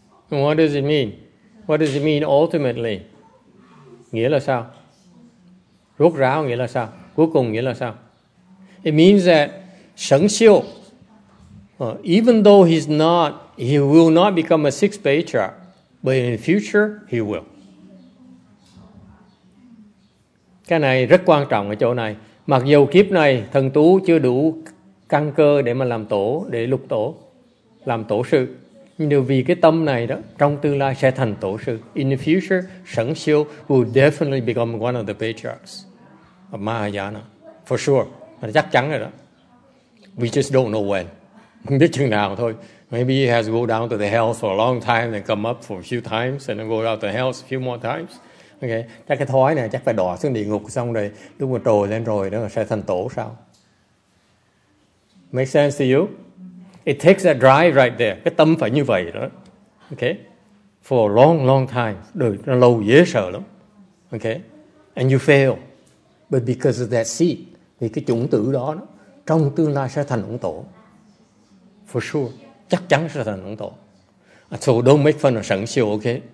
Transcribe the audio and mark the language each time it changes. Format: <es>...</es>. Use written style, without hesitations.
<en>What does it mean? What does it mean ultimately?</en> <vi>Nghĩa là sao? Rốt ráo nghĩa là sao? Cuối cùng nghĩa là sao?</vi> <en>It means that 生锈, even though he's not, he will not become a sixth patriarch, but in the future, he will.</en> <vi>Cái này rất quan trọng ở chỗ này. Mặc dù kiếp này, thần tú chưa đủ căn cơ để mà làm tổ, để lục tổ, làm tổ sư. Nhưng vì cái tâm này đó, trong tương lai sẽ thành tổ sư.</vi> <en>In the future, 生锈 will definitely become one of the patriarchs of Mahayana. For sure.</en> <vi>Chắc chắn rồi đó.</vi> <en>We just don't know when. Không biết chừng nào thôi. Maybe he has to go down to the hell for a long time and come up for a few times and then go down to the hell a few more times. Okay.</en> <vi>Chắc cái thói này chắc phải đọa xuống địa ngục xong rồi lúc mà trồi lên rồi đó sẽ thành tổ sao?</vi> <en>Make sense to you? It takes that drive right there.</en> <vi>Cái tâm phải như vậy đó. Okay.</vi> <en>For a long, long time.</en> <vi>Đời nó lâu dễ sợ lắm. Okay.</vi> <en>And you fail. But because of that seed,</en> <vi>thì cái chủng tử đó, đó trong tương lai sẽ thành ông tổ.</vi> <en>For sure.</en> <vi>Chắc chắn sẽ thành ông tổ.</vi> <en>So don't make fun of sẵn siêu, okay?</en>